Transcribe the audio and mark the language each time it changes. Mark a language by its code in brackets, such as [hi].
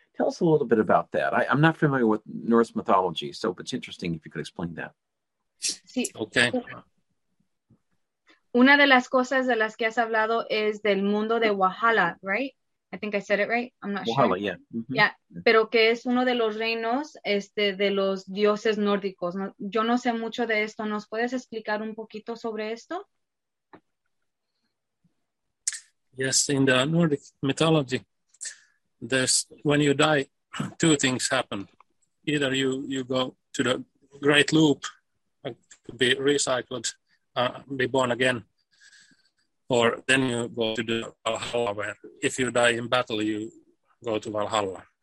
[en] Tell us a little bit about that. I'm not familiar with Norse mythology, so it's interesting if you could explain that. [es] Sí. [en] Okay. [es] Una de las cosas de las que has hablado es del mundo de Valhalla, right? [en] I think I said it right. I'm not Valhalla, sure. Valhalla, yeah. Mm-hmm. [es] Yeah, pero que es uno de los reinos de los dioses nórdicos. No, yo no sé mucho de esto. ¿Nos puedes explicar un poquito sobre esto? [en] Yes, in the Nordic mythology, there's, when you die, two things happen. Either you go to the Great Loop to be recycled, be born again, or then you go to the Valhalla, where if you die in battle, you go to Valhalla.